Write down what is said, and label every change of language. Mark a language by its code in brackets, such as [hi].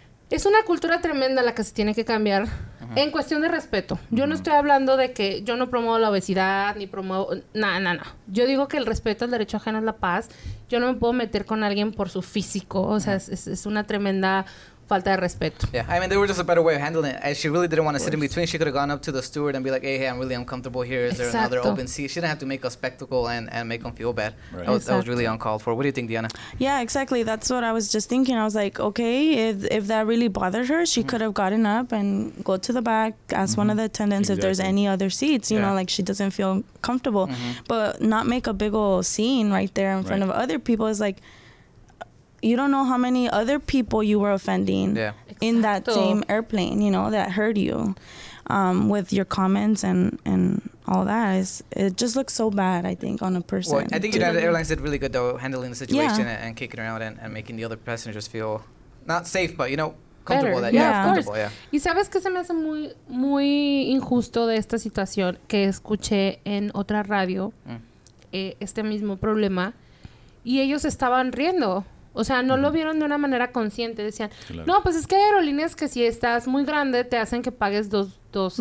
[es] es una cultura tremenda la que se tiene que cambiar uh-huh. en cuestión de respeto. Uh-huh. Yo no estoy hablando de que yo no promuevo la obesidad, ni promuevo... No. Yo digo que el respeto al derecho ajeno es la paz. Yo no me puedo meter con alguien por su físico. O sea, uh-huh. es una tremenda falta de respeto. [en] Yeah, I mean, there was just a better way of handling it. She really didn't want to sit in between. She could have gone up to the steward and be like, hey, I'm really uncomfortable here. Is there [es] Exacto. [en] another open seat? She didn't have to make a spectacle and make them feel bad. Right. That was really uncalled for. What do you think, Diana? Yeah, exactly. That's what I was just thinking. I was like, okay, if that really bothered her, she mm-hmm. could have gotten up and go to the back, ask mm-hmm. one of the attendants exactly. if there's any other seats, you yeah. know, like she doesn't feel comfortable. Mm-hmm. But not make a big old scene right there in right. front of other people is like, you don't know how many other people you were offending yeah. in that same airplane, you know, that hurt you with your comments and all that. It just looks so bad, I think, on a person. Well, I think United Airlines did really good, though, handling the situation yeah. and kicking her out and making the other passengers feel not safe, but, you know, comfortable. That, yeah, of course. [es] Yeah. Y sabes que se me hace muy, muy injusto de esta situación que escuché en otra radio este mismo problema y ellos estaban riendo. O sea, no lo vieron de una manera consciente. Decían, claro. no, pues es que hay aerolíneas que si estás muy grande te hacen que pagues dos